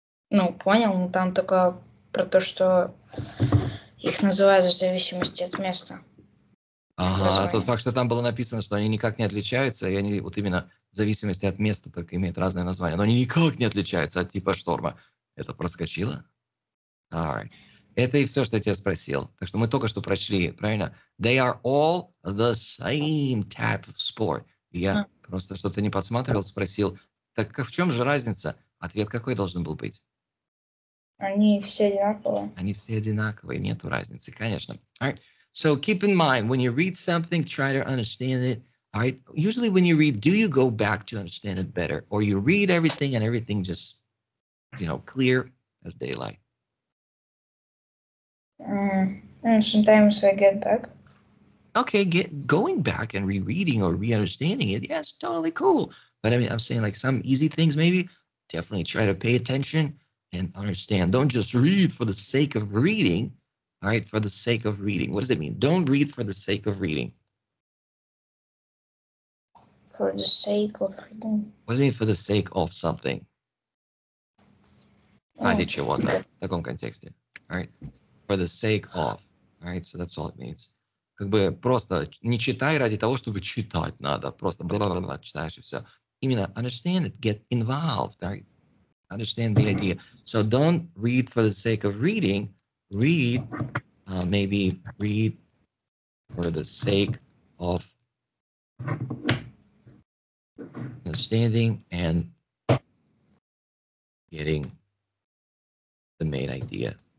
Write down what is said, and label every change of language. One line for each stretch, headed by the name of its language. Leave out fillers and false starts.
Russian: Ну, понял, но там только про то, что их называют в зависимости от места. Ага, тот факт, что там было написано, что они никак не отличаются, и они вот именно в зависимости от места только имеют разные названия, но они никак не отличаются от типа шторма. Это проскочило?
English: All right.
Russian: Это и все, что я тебя спросил. Так что мы только что прочли, правильно?
English: They are all the same type of sport.
Russian: Я просто что-то не подсматривал, спросил. Так в чем же разница? Ответ какой должен был быть? Они все одинаковые. Они все одинаковые, нету разницы, конечно.
English: All right. So keep in mind, when you read something, try to understand it. All right. Usually when you read, do you go back to understand it better? Or you read everything and everything just, you know, clear as daylight. Sometimes I get back. Okay, going back and rereading or re-understanding it, yeah, it's totally cool. But I mean, I'm saying like some easy things maybe, definitely try to pay attention and understand. Don't just read for the sake of reading, all right, for the sake of reading. What does it mean? Don't read for the sake of reading. For the sake of reading? What does it mean for the sake of something? I did you want that?
Russian: В таком контексте,
English: all right? For the sake of, all right, so that's all it means.
Russian: Как бы просто не читай ради того, чтобы читать надо. Просто бла-бла-бла, читаешь и все. Именно
English: understand it, get involved, right? Understand the idea. So don't read for the sake of reading. Read, maybe read for the sake of understanding and getting the main idea.